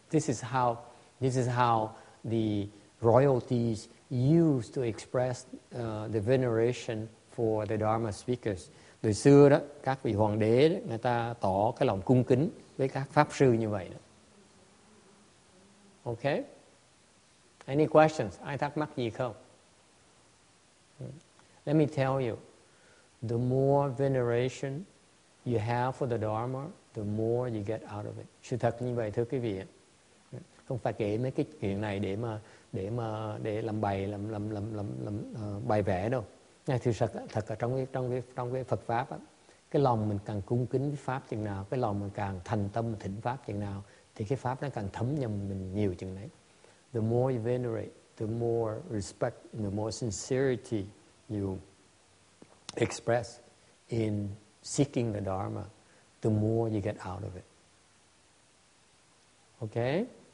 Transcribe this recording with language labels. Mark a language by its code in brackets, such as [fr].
[en] This is how the royalties used to express the veneration for the Dharma speakers. [vi] Đời xưa đó, các vị hoàng đế đó, người ta tỏ cái lòng cung kính với các pháp sư như vậy đó. [en] Okay. Any questions? [vi] Ai thắc mắc gì không? [en] Let me tell you, the more veneration you have for the Dharma, the more you get out of it. [vi] Sự thật như vậy thưa quý vị. Không phải kể mấy cái chuyện này để làm bài làm bài vẽ đâu. Nhưng thực sự thật ở trong cái Phật pháp á, cái lòng mình càng cung kính với pháp chừng nào, cái lòng mình càng thành tâm thỉnh pháp chừng nào thì cái pháp nó càng thấm nhầm mình nhiều chừng đấy. [en] The more you venerate, the more respect, the more sincerity you express in seeking the Dharma, the more you get out of it. Okay?